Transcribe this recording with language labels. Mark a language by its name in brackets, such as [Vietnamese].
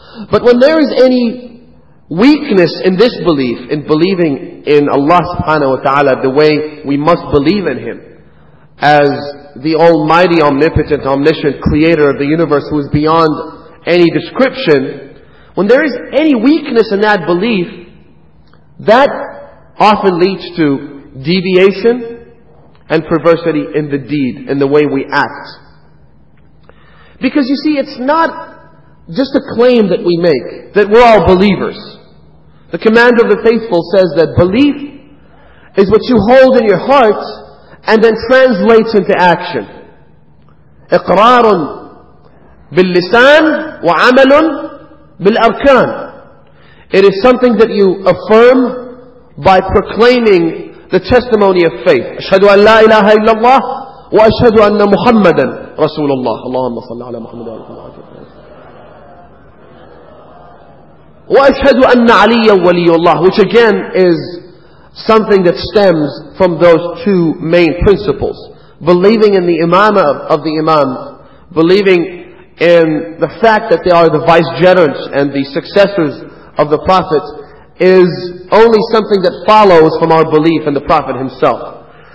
[English] But when there is any weakness in this belief, in believing in Allah subhanahu wa ta'ala the way we must believe in Him, as the Almighty, Omnipotent, Omniscient Creator of the universe who is beyond any description, when there is any weakness in that belief, that often leads to deviation and perversity in the deed, in the way we act. Because you see, it's not just a claim that we make, that we're all believers. The Commander of the Faithful says that belief is what you hold in your heart and then translates into action. [Arabic] إقرار باللسان وعمل بالأركان. [English] It is something that you affirm by proclaiming the testimony of faith. [Arabic] أشهد أن لا إله إلا الله وأشهد أن محمدا رسول الله. اللهم صل على محمد وعلى آله وصحبه. وأشهد أن عليا ولي الله. [English] Which again is something that stems from those two main principles. Believing in the imamah of the imams, believing in the fact that they are the vicegerents and the successors of the prophets, is only something that follows from our belief in the prophet himself.